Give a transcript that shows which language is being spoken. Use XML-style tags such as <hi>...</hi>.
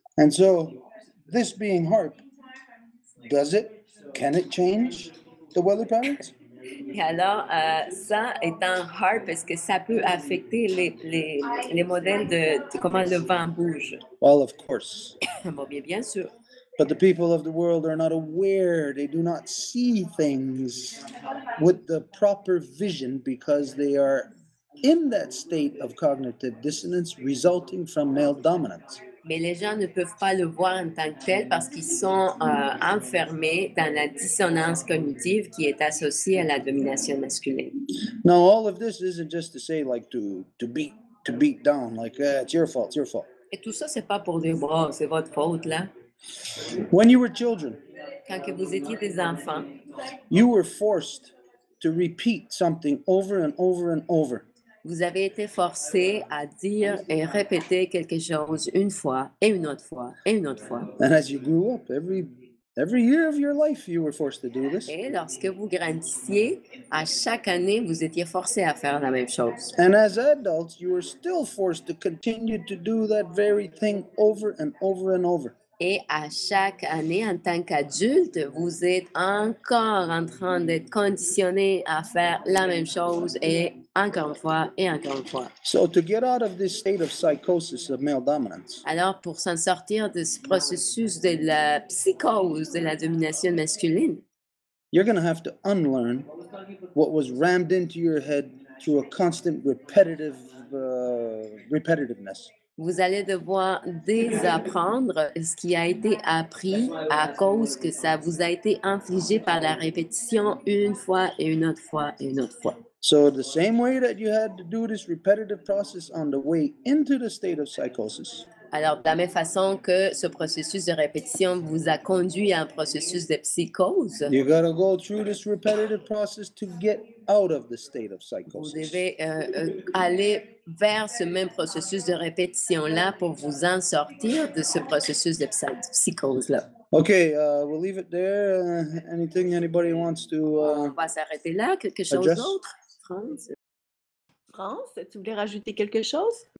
<en>And so, this being HARP, does it? Can it change the weather patterns?</en> <fr>Et alors, ça étant HARP, est-ce que ça peut affecter les modèles de comment le vent bouge?</fr> <en>Well, of course.</en> <fr>Bon, bien sûr.</fr> <en>But the people of the world are not aware, they do not see things with the proper vision because they are in that state of cognitive dissonance resulting from male dominance.</en> <fr>Mais les gens ne peuvent pas le voir en tant que tel parce qu'ils sont enfermés dans la dissonance cognitive qui est associée à la domination masculine.</fr> <en>Now all of this isn't just to say like to beat down like it's your fault.</en> <fr>Et tout ça c'est pas pour dire bon, c'est votre faute là.</fr> <en>When you were children.</en> <fr>Quand que vous étiez des enfants.</fr> <en>You were forced to repeat something over and over and over.</en> <fr>Vous avez été forcé à dire et répéter quelque chose une fois et une autre fois et une autre fois.</fr> <en>And as you grew up, every year of your life, you were forced to do this.</en> <fr>Et lorsque vous grandissiez, à chaque année, vous étiez forcé à faire la même chose.</fr> <en>And as adults, you were still forced to continue to do that very thing over and over and over.</en> <fr>Et à chaque année, en tant qu'adulte, vous êtes encore en train d'être conditionné à faire la même chose et encore une fois et encore une fois.</fr> <en>So to get out of this state of psychosis of male dominance.</en> <fr>Alors, pour s'en sortir de ce processus de la psychose de la domination masculine,</fr> <en>you're going to have to unlearn what was rammed into your head through a constant repetitiveness.</en> <fr>Vous allez devoir désapprendre ce qui a été appris à cause que ça vous a été infligé par la répétition une fois et une autre fois et une autre fois.</fr> <en>So the same way that you had to do this repetitive process on the way into the state of psychosis.</en> <fr>Alors, de la même façon que ce processus de répétition vous a conduit à un processus de psychose,</fr> <en>you gotta go through this repetitive process to get out of the state of psychosis.</en> <fr>Vous devez aller vers ce même processus de répétition-là pour vous en sortir de ce processus de psychose-là.</fr> <en>OK, we'll leave it there. Anything anybody wants to</en> <fr>On va s'arrêter là. Quelque chose d'autre? France, tu voulais rajouter quelque chose?</fr>